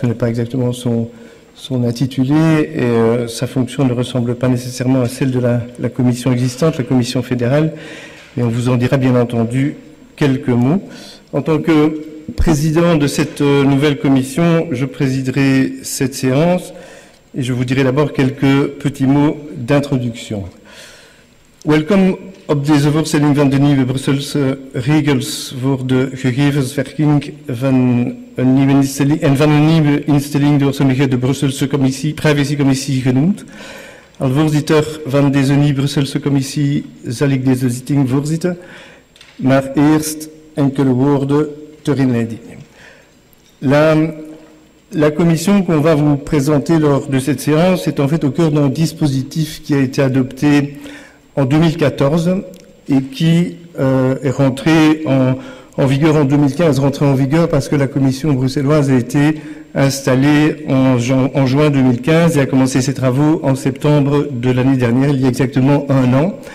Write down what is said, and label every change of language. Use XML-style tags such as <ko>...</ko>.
<fr>Ce n'est pas exactement son intitulé et sa fonction ne ressemble pas nécessairement à celle de la commission existante, la commission fédérale, mais on vous en dira bien entendu quelques mots. En tant que président de cette nouvelle commission, je présiderai cette séance et je vous dirai d'abord quelques petits mots d'introduction.</fr> <nl>Welcome op deze voorstelling van de nieuwe Brusselse regels voor de gegevensverwerking van een nieuwe instelling door sommige de Brusselse commissie, privacycommissie genoemd. Als voorzitter van deze nieuwe Brusselse commissie zal ik deze zitting voorzitten, maar eerst enkele woorden ter inleiding.</nl> <fr>La commission qu'on va vous présenter lors de cette séance est en fait au cœur d'un dispositif qui a été adopté en 2014 et qui est rentré en vigueur en 2015, rentré en vigueur parce que la commission bruxelloise a été installée en juin 2015 et a commencé ses travaux en septembre de l'année dernière, il y a exactement un an.</fr>